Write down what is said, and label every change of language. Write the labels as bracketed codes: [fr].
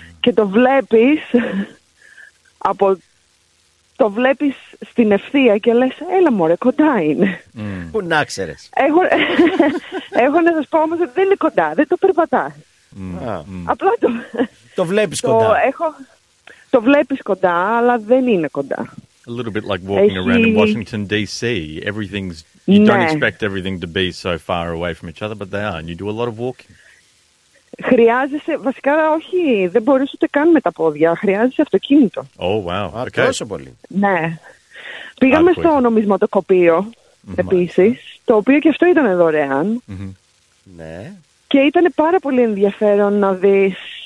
[el] Και το βλέπεις από το βλέπεις στην ευθεία και λες έλα μωρέ κοντά είναι. Που να ξέρεις. Έχω να σας πω όμως ότι δεν είναι κοντά, δεν το περπατάς. Απλά το βλέπεις κοντά. Το βλέπεις κοντά, αλλά δεν είναι κοντά. [en] A little bit like walking around in Washington DC. Everything's you don't expect everything to be so far away from each other, but they are, and you do a lot of walking. [el] Χρειάζεσαι, βασικά όχι, δεν μπορείς ούτε καν με τα πόδια, χρειάζεσαι αυτοκίνητο. [en] Oh, wow. [el] Okay. Τόσο πολύ. Ναι. Πήγαμε στο νομισματοκοπείο, επίσης, το οποίο και αυτό ήταν δωρεάν. Ναι. Και ήταν πάρα πολύ ενδιαφέρον να δεις...